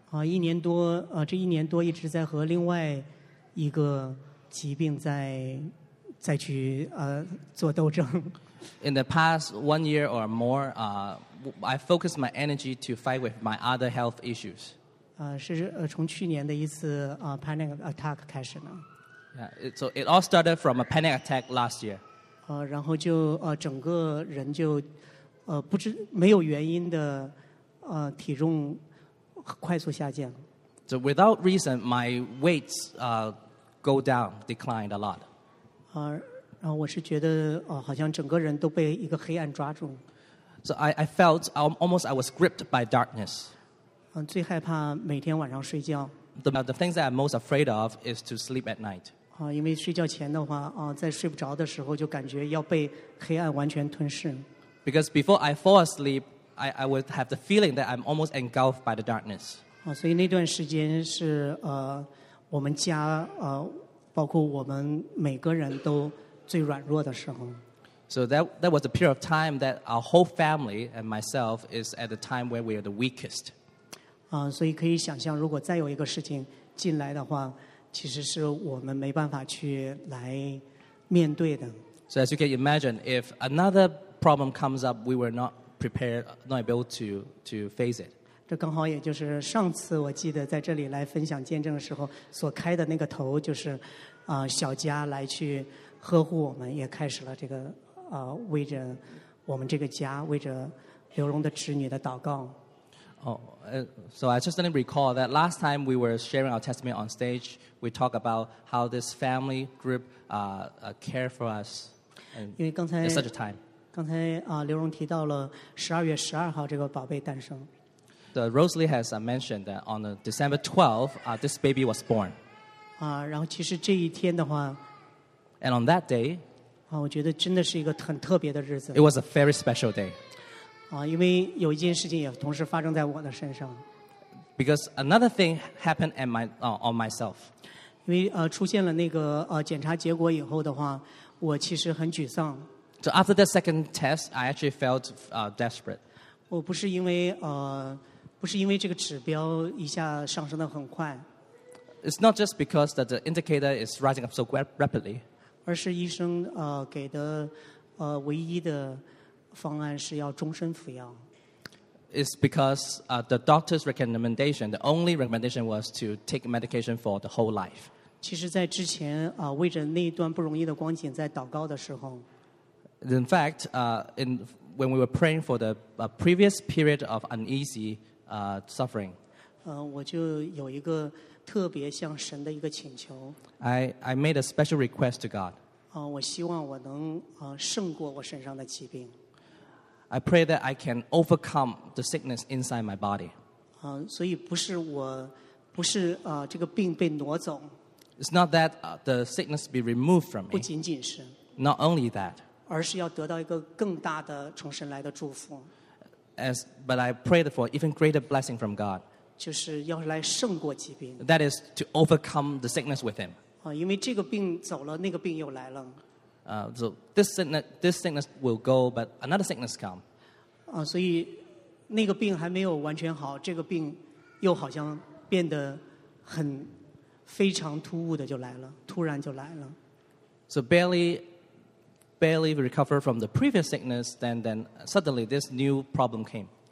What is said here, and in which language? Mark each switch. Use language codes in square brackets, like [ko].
[zh] 一年多这一年多一直在和另外一个疾病在。再去做斗争。 [en] In the past one year or more, I focused my energy to fight with my other health issues. [zh] 是从去年的一次 [en] panic attack [zh] 开始呢。 [en] Yeah, so it all started from a panic attack last year. [zh] 然后就整个人就不知没有原因的体重快速下降。 [en] So without reason, my weight go down, declined a lot. [zh] 然后我是觉得好像整个人都被一个黑暗抓住。 [en] So I felt almost I was gripped by darkness. [zh] 最害怕每天晚上睡觉。 [en] The things that I'm most afraid of is to sleep at night. [zh] 因为睡觉前的话在睡不着的时候就感觉要被黑暗完全吞噬。 [en] Because before I fall asleep, I would have the feeling that I'm almost engulfed by the darkness. [zh] 所以那段时间是我们家包括我们每个人都最软弱的时候。 [en] So that was a period of time that our whole family and myself is at the time where we are the weakest. [zh] 所以可以想象，如果再有一个事情进来的话，其实是我们没办法去来面对的。 [en] So as you can imagine, if another problem comes up, we were not prepared, not able to face it. [zh] 这刚好也就是上次我记得在这里来分享见证的时候所开的那个头，就是小家来去呵护我们，也开始了这个为着我们这个家，为着刘荣的侄女的祷告。 [en] So I just recall that last time we were sharing our testimony on stage, we talked about how this family group care for us in such a time. [zh] 刚才刘荣提到了十二月十二号这个宝贝诞生。 [en] The Rosalie has mentioned that on December 12th, this baby was born. [zh] 啊，然后其实这一天的话 [en] ，And on that day， [zh] 啊，我觉得真的是一个很特别的日子。 [en] It was a very special day. [zh] 啊，因为有一件事情也同时发生在我的身上。 [en] Because another thing happened at my on myself. [zh] 因为出现了那个检查结果以后的话，我其实很沮丧。 [en] So after the second test, I actually felt desperate. [zh] 我不是因为这个指标一下上升得很快。 [en] It's not just because that the indicator is rising up so rapidly. [zh] 而是医生给的唯一的方案是要终身服药。 [en] It's because the doctor's recommendation, the only recommendation was to take medication for the whole life. [zh] 其实在之前为着那一段不容易的光景在祷告的时候。 [en] In fact, when we were praying for the previous period of uneasy suffering, [zh] 我就有一个特别向神的一个请求。 [en] I made a special request to God. [zh] 我希望我能胜过我身上的疾病。 [en] I pray that I can overcome the sickness inside my body. [zh] 所以不是我，不是这个病被挪走。 [en] It's not that the sickness be removed from me. [zh] 不仅仅是。 [en] Not only that. [zh] 而是要得到一个更大的从神来的祝福。 [en] But I prayed for even greater blessing from God. [zh] 就是要来胜过疾病。 [en] That is to overcome the sickness with Him. [zh] 因为这个病走了，那个病又来了。 [en] So this sickness will go, but another sickness come. [zh] 所以那个病还没有完全好，这个病又好像变得很非常突兀的就来了，突然就来了。 [en] So barely recover from the previous sickness, then suddenly this new problem came.